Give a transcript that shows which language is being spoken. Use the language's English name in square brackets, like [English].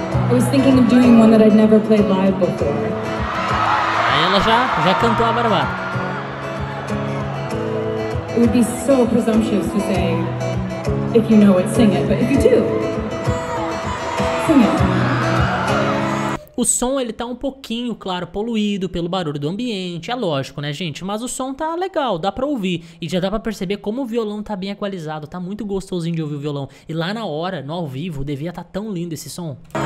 [English] I was thinking of doing one that I'd never played live before. [Portuguese] Aí ela já cantou a barbada. [English] It would be so presumptuous to say if you know it, sing it, but if you do, sing it. [Portuguese] O som, ele tá um pouquinho, claro, poluído pelo barulho do ambiente, é lógico, né, gente? Mas o som tá legal, dá pra ouvir. E já dá pra perceber como o violão tá bem equalizado, tá muito gostosinho de ouvir o violão. E lá na hora, no ao vivo, devia tá tão lindo esse som.